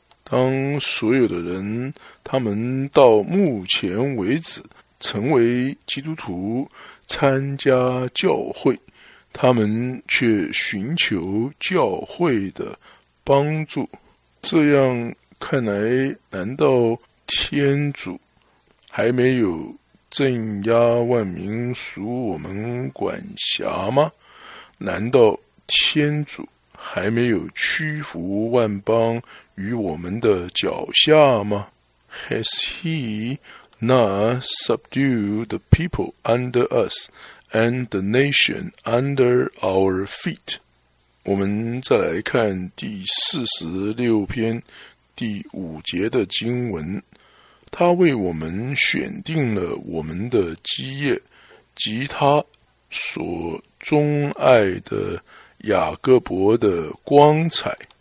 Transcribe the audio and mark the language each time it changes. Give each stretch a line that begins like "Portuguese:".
Chinese: 当所有的人他们到目前为止成为基督徒参加教会，他们却寻求教会的帮助，这样看来，难道天主还没有镇压万民属我们管辖吗？难道天主还没有屈服万邦于我们的脚下吗？
English: Has he not subdued the people under us and the nation under our feet?
Chinese: 我们再来看第四十六篇第五节的经文，他为我们选定了我们的基业及他所钟爱的雅各伯的光彩。